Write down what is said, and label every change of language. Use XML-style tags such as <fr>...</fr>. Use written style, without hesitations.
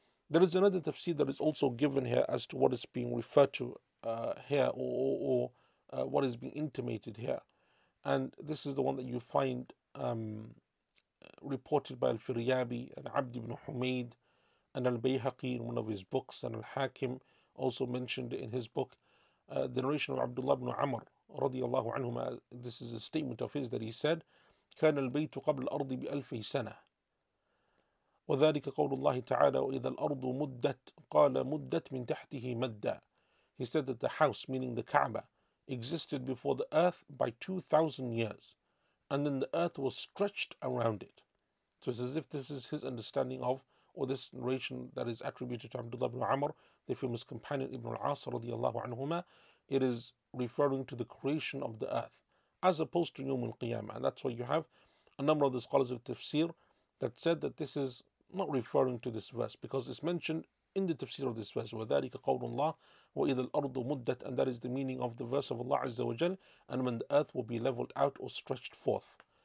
<en>There is another tafsir that is also given here as to what is being referred to here, or what is being intimated here, and this is the one that you find reported by Al-Firyabi and Abd ibn Humaid. And Al-Bayhaqi, in one of his books, and Al-Hakim also mentioned in his book, the narration of Abdullah ibn Amr radiallahu anhuma. This is a statement of his that he said,</en> <ar>كان البيت قبل الأرض بألف سنة وذلك قول الله تعالى وإذا الأرض مدت قال مدت من تحته مدى.</ar> <en>He said that the house, meaning the Kaaba, existed before the earth by 2,000 years, and then the earth was stretched around it. So it's as if this is his understanding of or this narration that is attributed to Abdullah ibn Amr, the famous companion Ibn al-As radiallahu anhuma, it is referring to the creation of the earth as opposed to Yawm al-Qiyamah. And that's why you have a number of the scholars of tafsir that said that this is not referring to this verse, because it's mentioned in the tafsir of this verse,</en> <ar>وَذَلِكَ قَوْلُ اللَّهِ وَإِذَا الْأَرْضُ مُدَّتْ,</ar> <en>and that is the meaning of the verse of Allah Azza wa Jal, and when the earth will be leveled out or stretched forth.</en>